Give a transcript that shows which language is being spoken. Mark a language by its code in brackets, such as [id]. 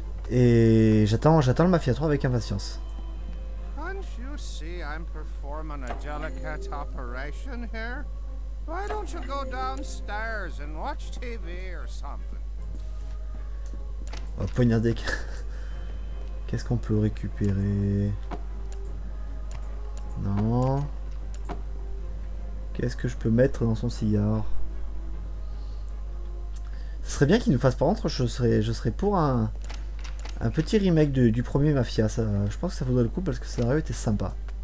[fr] Et j'attends le Mafia 3 avec impatience. [en] Can't you see I'm performing a delicate operation here? Why don't you go downstairs and watch TV or something? [fr] On va poignarder. Qu'est-ce qu'on peut récupérer? Non. Qu'est-ce que je peux mettre dans son cigare? Ce serait bien qu'il nous fasse par entre, je serais pour un. Un petit remake du premier Mafia, ça, je pense que ça vaudrait le coup parce que ça aurait été sympa.